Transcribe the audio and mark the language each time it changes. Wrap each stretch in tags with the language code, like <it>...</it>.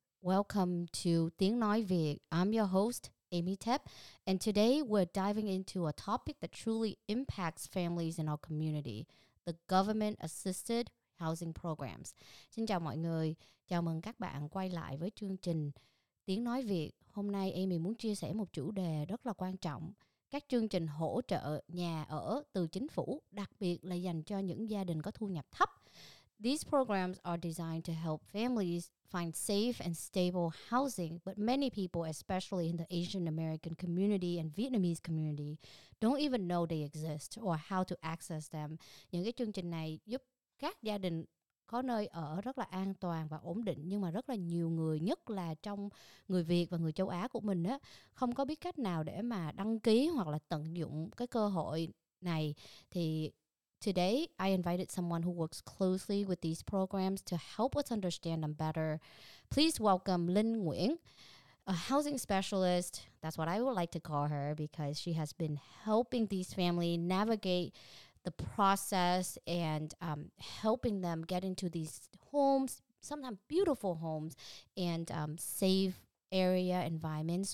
<en>Welcome to Tiếng Nói Việt. I'm your host, Amy Tep. And today, we're diving into a topic that truly impacts families in our community, the government-assisted housing programs.</en> <vi>Xin chào mọi người. Chào mừng các bạn quay lại với chương trình Tiếng Nói Việt. Hôm nay, Amy muốn chia sẻ một chủ đề rất là quan trọng. Các chương trình hỗ trợ nhà ở từ chính phủ, đặc biệt là dành cho những gia đình có thu nhập thấp.</vi> <en>These programs are designed to help families find safe and stable housing, but many people, especially in the Asian American community and Vietnamese community, don't even know they exist or how to access them.</en> <vi>Những cái chương trình này giúp các gia đình có nơi ở rất là an toàn và ổn định, nhưng mà rất là nhiều người, nhất là trong người Việt và người châu Á của mình á, không có biết cách nào để mà đăng ký hoặc là tận dụng cái cơ hội này.</vi> <en>Thì today, I invited someone who works closely with these programs to help us understand them better. Please welcome Linh Nguyễn, a housing specialist. That's what I would like to call her because she has been helping these families navigate the process and helping them get into these homes, sometimes beautiful homes, and safe area environment.</en>